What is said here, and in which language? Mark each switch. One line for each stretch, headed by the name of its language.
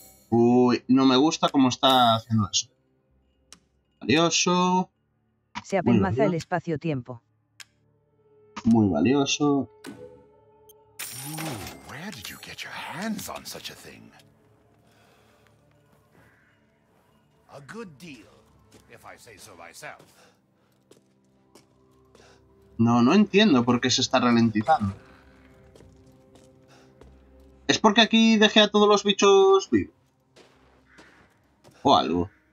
Spanish: Uy, no me gusta cómo está haciendo eso. Valioso. Se apelmaza el espacio-tiempo. Muy valioso.
English: Where did you get your hands on such a thing? A good deal, if I say so myself.
Spanish: No, no entiendo por qué se está ralentizando. ¿Es porque aquí dejé a todos los bichos vivos? ¿O algo?